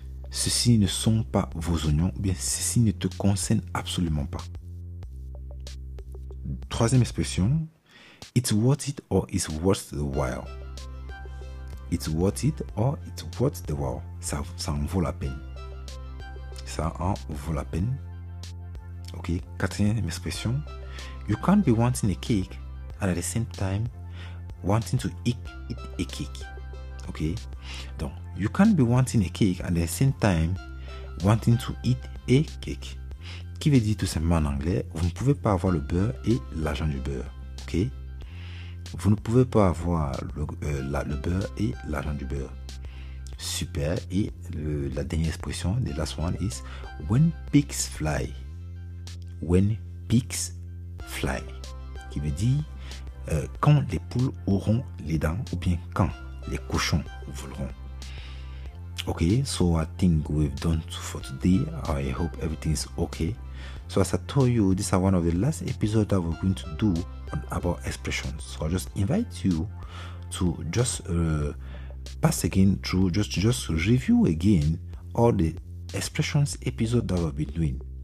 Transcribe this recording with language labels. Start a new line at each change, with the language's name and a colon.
French: Ceci ne sont pas vos oignons, ou bien ceci ne te concerne absolument pas. Troisième expression,
English: it's worth it or it's worth the while. It's worth it or it's worth the while.
French: Ça en vaut la peine. Ça en vaut la peine. Ok, quatrième expression,
English: you can't be wanting a cake and at the same time wanting to eat a cake. Ok, donc, you can't be wanting a cake and at the same time wanting to eat a cake.
French: Qui veut dire tout simplement en anglais, vous ne pouvez pas avoir le beurre et l'argent du beurre. Ok, vous ne pouvez pas avoir le beurre et l'argent du beurre. Super. Et la dernière expression,
English: the last one is, when pigs fly. When pigs fly.
French: Qui veut dire, quand les poules auront les dents ou bien quand les cochons voleront.
English: Okay, so I think we've done for today. I hope everything is okay. So as I told you, this is one of the last episodes that we're going to do on about expressions. So I just invite you to just pass again through, just review again all the expressions episodes that we've been doing.